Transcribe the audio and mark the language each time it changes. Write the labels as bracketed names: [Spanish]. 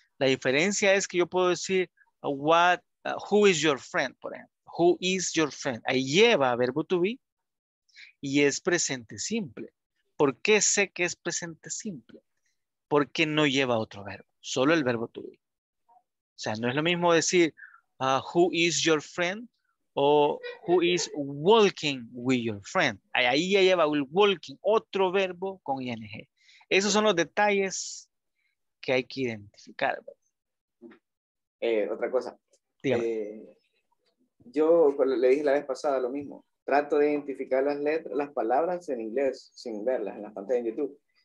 [Spanish] La diferencia es que yo puedo decir, [English] who is your friend, [Spanish] por ejemplo. [English] Who is your friend? [Spanish] Ahí lleva verbo to be y es presente simple. ¿Por qué sé que es presente simple? Porque no lleva otro verbo, solo el verbo to be. O sea, no es lo mismo decir, [English] who is your friend o who is walking with your friend. [Spanish] Ahí ya lleva el walking, otro verbo con ing. Esos son los detalles que hay que identificar. Otra cosa. Yo le dije la vez pasada lo mismo. Trato de identificar las letras, las palabras en inglés sin verlas en las pantallas de YouTube.